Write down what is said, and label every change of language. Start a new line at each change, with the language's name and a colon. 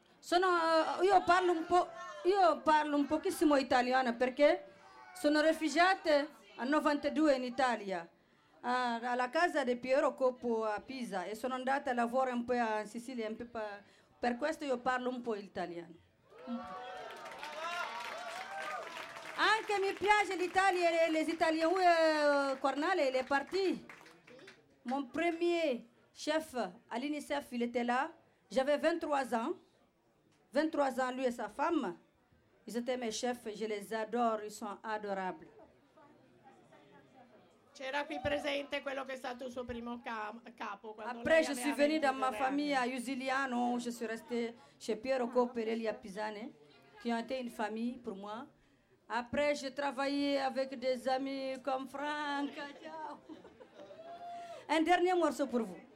Italian: Sono io parlo un pochissimo italiano perché sono rifugiata a 92 in Italia, alla casa di Piero Coppo a Pisa, e sono andata a lavorare un po' in Sicilia, un po' per questo io parlo un po' italiano. Anche mi piace l'Italia e gli italiani. Cornale, il parti.
French: Mon premier chef à l'UNICEF, il était là. J'avais 23 ans. 23 ans, lui et sa femme. Ils étaient mes chefs, je les adore, ils sont adorables.
Italian: C'era qui presente quello che è stato il suo primo capo.
French: Après, je suis venue dans ma famille à Usiliano, où je suis restée chez Piero Copperelli à Pisane, qui ont été une famille pour moi. Après, j'ai travaillé avec des amis comme Franck. Un dernier morceau pour vous.